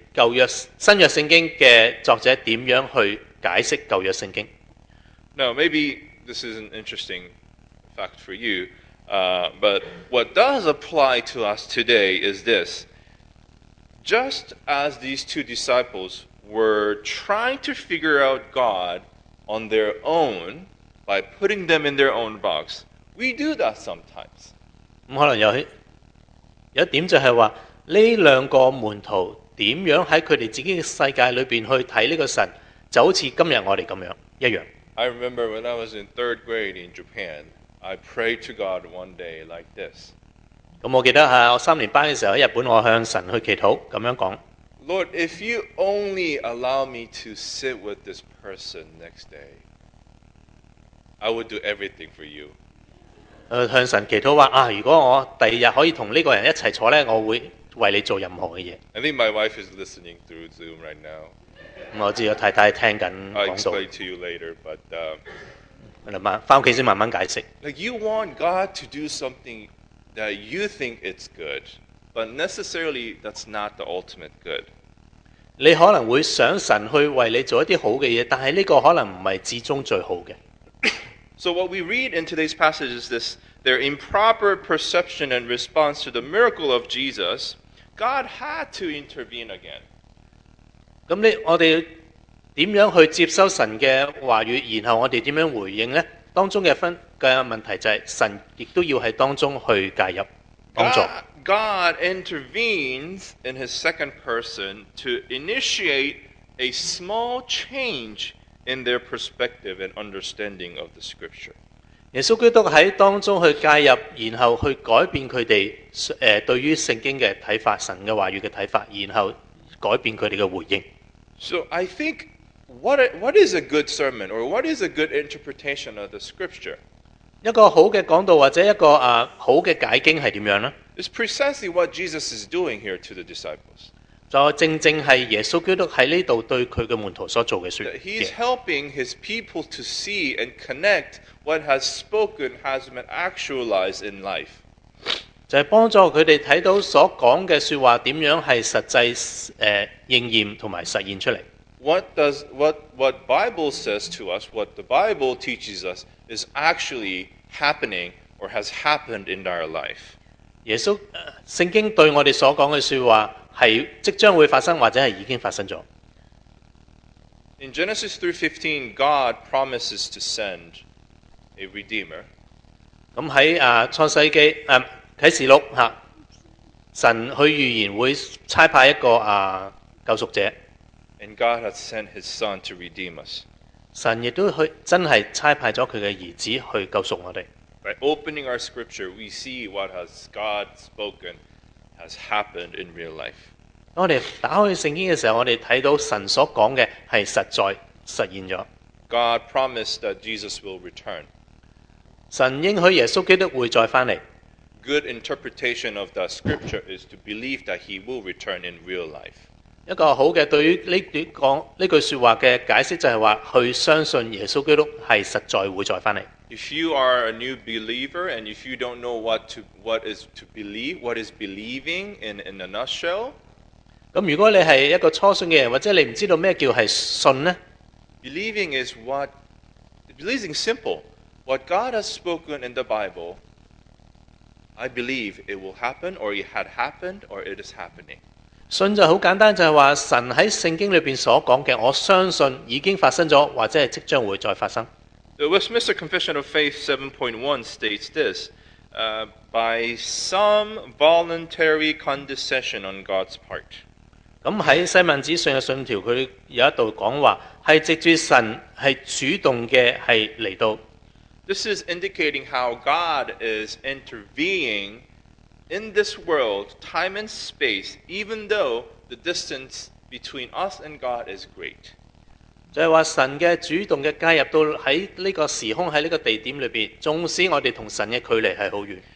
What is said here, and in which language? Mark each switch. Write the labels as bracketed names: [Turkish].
[Chinese] 旧约新约圣经的作者怎样去解释旧约圣经？ [English] Now maybe this is an interesting fact for you, but what does apply to us today is this. Just as these two disciples were trying to figure out God on their own by putting them in their own box, we do that sometimes. [Chinese] 可能有一点就是说这两个门徒怎样在他们自己的世界里面去看这个神，就好像今天我们这样一样。 [English] I remember when I was in third grade in Japan, I prayed to God one day like this. [Chinese] 我记得我三年班的时候在日本，我向神去祈祷这样说， [English] Lord, if you only allow me to sit with this person next day, I would do everything for you. [Chinese] 向神祈祷说如果我第二天可以跟这个人一起坐，我会为你做任何嘅嘢。 [English] I think my wife is listening through Zoom right now. [Chinese] 我知道太太听紧讲 [English] 道。I'll explain to you later, but [Chinese] 翻屋企先慢慢解释。 [English] Like you want God to do something that you think it's good, but necessarily that's not the ultimate good. [Chinese] 你可能会想神去为你做一啲好嘅嘢，但系呢个可能唔系至终最好嘅。 [English] So what we read in today's passage is this. Their improper perception and response to the miracle of Jesus, God had to intervene again. [Chinese] 咁你我哋点样去接收神嘅话语，然后我哋点样回应咧？当中嘅分嘅問題就係神亦都要喺當中去介入幫助。 [English] God intervenes in his second person to initiate a small change in their perspective and understanding of the scripture. [Chinese] 耶穌基督喺當中去介入，然後去改變佢哋對於聖經嘅睇法、神嘅話語嘅睇法，然後改變佢哋嘅回應。 [English] So I think. What is a good sermon, or what is a good interpretation of the scripture? [Chinese] 一個好嘅講道或者一個好嘅解經係點樣呢？ [English] It's precisely what Jesus is doing here to the disciples. [Chinese] 就正正係耶穌基督喺呢度對佢嘅門徒所做嘅説。 [English] He's helping his people to see and connect what has spoken has been actualized in life. [Chinese] 就係幫助佢哋睇到所講嘅説話點樣係實際應驗同埋實現出嚟。 [English] What Bible says to us, what the Bible teaches us, is actually happening or has happened in our life. [Chinese] 耶稣圣经对我哋所讲嘅说话系即将会发生或者系已经发生咗。 [English] In Genesis 3:15, God promises to send a redeemer. [Chinese] 咁喺创世记启示录吓，神去预言会差派一个救赎者。 [English] And God has sent His Son to redeem us. [Chinese] 神亦都去真系差派咗佢嘅儿子去救赎我哋。 [English] By opening our scripture, we see what has God spoken has happened in real life. [Chinese] 我哋打开圣经嘅时候，我哋睇到神所讲嘅系实在实现咗。 [English] God promised that Jesus will return. [Chinese] 神应许耶稣基督会再翻嚟。 [English] Good interpretation of that scripture is to believe that He will return in real life. [Chinese] 一个好嘅对于呢句说话嘅解释就系话，去相信耶稣基督系实在会再翻嚟。 [English] If you are a new believer and if you don't know what is believing in a nutshell， [Chinese] 咁如果你系一个初信嘅人，或者你唔知道咩叫系信呢 [English] ？Believing is simple. What God has spoken in the Bible, I believe it will happen, or it had happened, or it is happening. [Chinese] 信就好简单，就系话神喺圣经里边所讲嘅，我相信已经发生咗，或者系即将会再发生。 [English] The Westminster Confession of Faith 7.1 states this: by some voluntary condescension on God's part. [Chinese] 咁喺西敏子信嘅信条，佢有一度讲话系藉住神系主动嘅系嚟到。 [English] This is indicating how God is intervening. In this world, time and space, even though the distance between us and God is great. [Chinese] 就是说神的主动的介入到在这个时空，在这个地点里面，纵使我们和神的距离是很远。